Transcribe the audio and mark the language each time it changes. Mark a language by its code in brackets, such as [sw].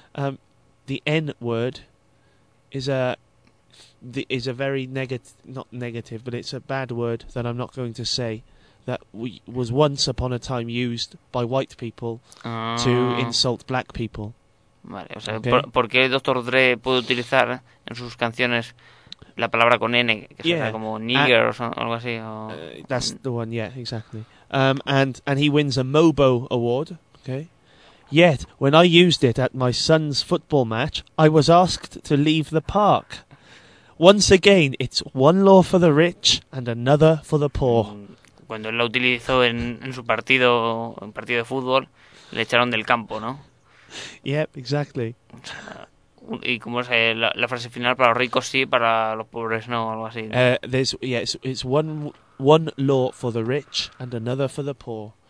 [en] The N-word is a very negative, not negative, but it's a bad word that I'm not going to say. That was once upon a time used by white people to insult black people. [es] Vale, o sea, okay. ¿Por qué Dr. Dre puede utilizar en sus canciones la palabra con N, que suena como nigger o algo así? O... [en] That's the one, yeah, exactly. And he wins a MOBO award, okay? Yet, when I used it at my son's football match, I was asked to leave the park. Once again, it's one law for the rich and another for the poor. [es] Cuando él la utilizó en su partido, en partido de fútbol, le echaron del campo, ¿no? [en] Yep, exactly. [es] Y cómo es la frase final, para los ricos sí, para los pobres no, algo así. ¿No? [en] It's one law for the rich and another for the poor.